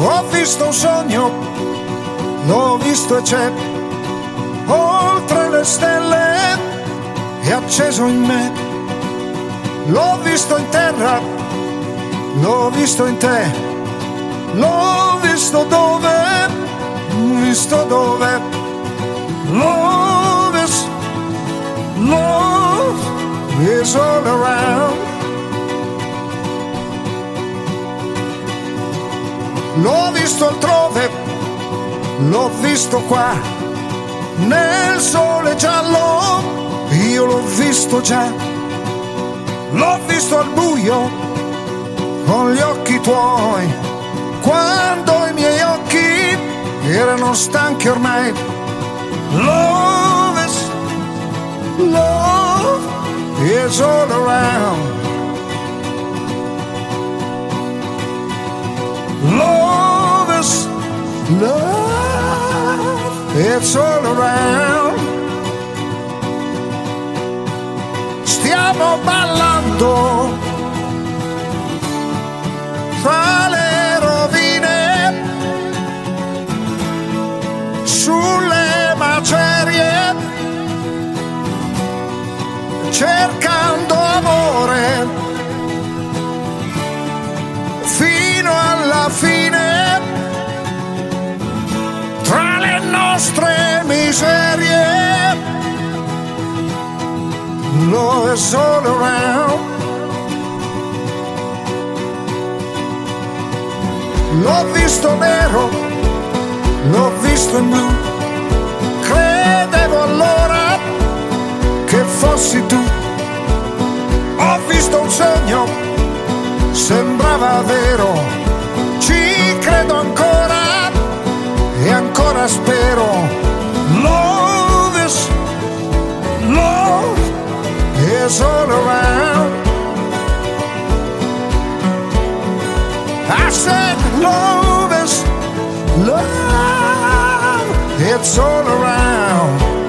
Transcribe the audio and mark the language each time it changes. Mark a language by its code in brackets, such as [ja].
[it] visto un sogno, l'ho visto e c'è, oltre le stelle è acceso in me. L'ho visto in terra, l'ho visto in te, l'ho visto dove, visto dove. [en] Love is, love is all around. [it] L'ho visto altrove, l'ho visto qua, nel sole giallo, io l'ho visto già. L'ho visto al buio, con gli occhi tuoi, quando i miei occhi erano stanchi ormai. [en] Love is, love is all around. Love is, love is all around. [it] Stiamo ballando tra le rovine, sulle macerie, cercando amore fino alla fine, tra le nostre miserie. [en] Love is all around. [it] L'ho visto nero, l'ho visto in blu, credevo allora che fossi tu. Ho visto un sogno, sembrava vero, ci credo ancora e ancora spero. [en] Love is, love is all around. I said love is, love, it's all around.